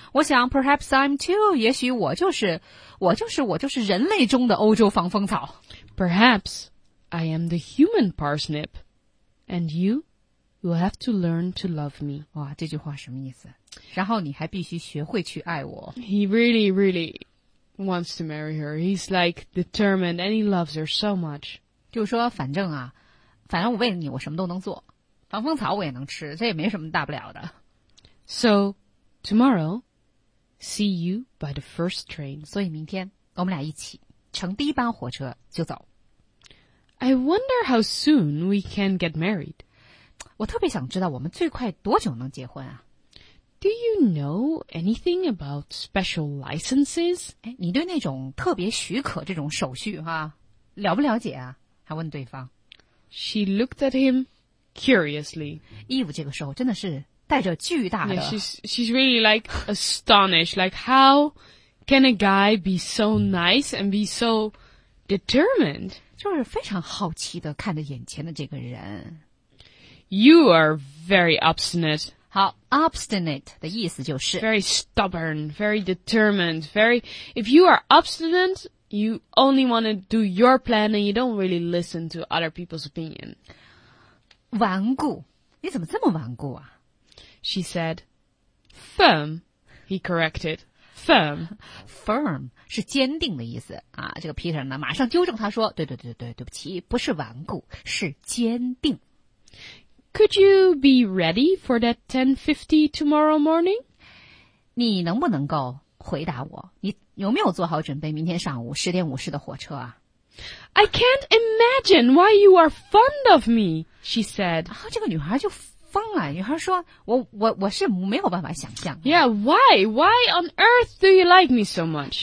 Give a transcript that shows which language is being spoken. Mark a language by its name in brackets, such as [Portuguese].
[Chinese] 我想 [English] perhaps I'm too, [Chinese] 也许我就是人类中的欧洲防风草。 [English] Perhaps I am the human parsnip. And you? You have to learn to love me. [Chinese] 哇，这句话什么意思？然后你还必须学会去爱我。 [English] He really, really wants to marry her. He's like determined and he loves her so much. [Chinese] 就说反正我为了你我什么都能做。防风草我也能吃，这也没什么大不了的。 [English] So, tomorrow, see you by the first train. [Chinese] 所以明天我们俩一起乘第一班火车就走。 [English] I wonder how soon we can get married. [Chinese] 我特别想知道我们最快多久能结婚啊 [English] ？Do you know anything about special licenses？ [Chinese] 哎，你对那种特别许可这种手续哈、啊，了不了解啊？还问对方。 [English] She looked at him curiously. [Chinese] Eve 这个时候真的是带着巨大的。 [English] Yeah, she's really like astonished. Like how can a guy be so nice and be so determined？ [Chinese] 就是非常好奇的看着眼前的这个人。 [English] You are very obstinate. [Chinese] 好 ,obstinate 的意思就是 [English] very stubborn, very determined, very, if you are obstinate, you only want to do your plan and you don't really listen to other people's opinion. [Chinese] 顽固,你怎么这么顽固啊? [English] She said, firm, he corrected, firm. [Chinese] Firm 是坚定的意思啊。这个 Peter 呢马上纠正他说对对对对对不起不是顽固是坚定。 [English] Could you be ready for that 10:50 tomorrow morning? [Chinese] 你能不能够回答我？你有没有做好准备明天上午10:50的火车啊 [English] ？I can't imagine why you are fond of me, she said. [Chinese] 啊，这个女孩就疯了。女孩说，我是没有办法想象。 [English] Yeah, why? Why on earth do you like me so much?